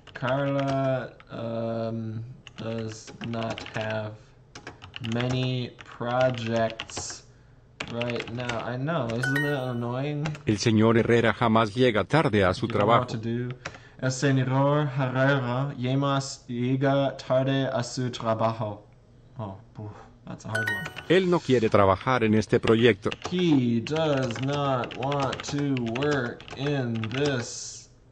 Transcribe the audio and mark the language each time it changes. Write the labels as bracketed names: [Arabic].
[English] Carla does not have many projects right now. I know, isn't that annoying? [Spanish] El señor Herrera jamás llega tarde a su trabajo. [English] You know what to do. [Spanish] El señor Herrera jamás llega tarde a su trabajo. [English] That's a hard one. [Spanish] Él no quiere trabajar en este proyecto. [English] He does not want to work in this